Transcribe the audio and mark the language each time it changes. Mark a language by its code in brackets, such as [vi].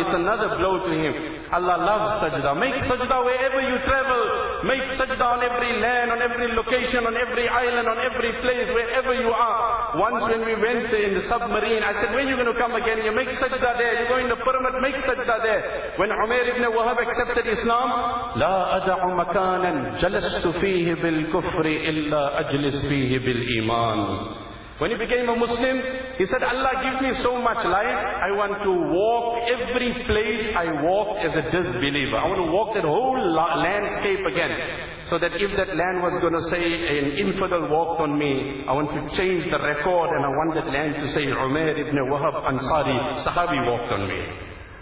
[en] It's another blow to him. Allah loves sajda. Make sajda wherever you travel. Make sajda on every land, on every location, on every island, on every place, wherever you are. Once when we went in the submarine, I said, when are you going to come again? You make sajda there. You go in the pyramid, make sajda there. When Umair ibn Wahab accepted Islam, [ar] لا أدع مكانا جلست فيه بالكفر إلا أجلس فيه بالإيمان. [en] When he became a Muslim, he said, Allah give me so much life, I want to walk every place I walk as a disbeliever. I want to walk that whole landscape again. So that if that land was going to say an infidel walked on me, I want to change the record and I want that land to say Umair ibn Wahab Ansari, Sahabi walked on me.